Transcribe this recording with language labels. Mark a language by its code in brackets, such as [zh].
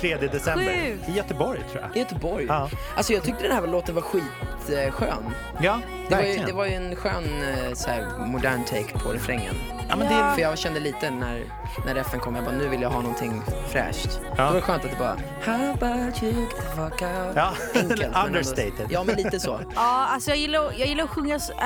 [sv] 3 december. Sjukt. I Göteborg tror jag. I Göteborg. Ja. Alltså jag tyckte den här låten var skitskön. Ja, det var ju, en skön så här, modern take på refrängen. Ja, men det... För jag kände lite när FN kom. Jag bara, nu vill jag ha någonting fräscht. Ja. Det var skönt att det bara... [en] How about you get the fuck out? [sv] Ja, enkelt, understated. Men ändå, ja, men lite så. Ja, alltså jag gillar att sjunga...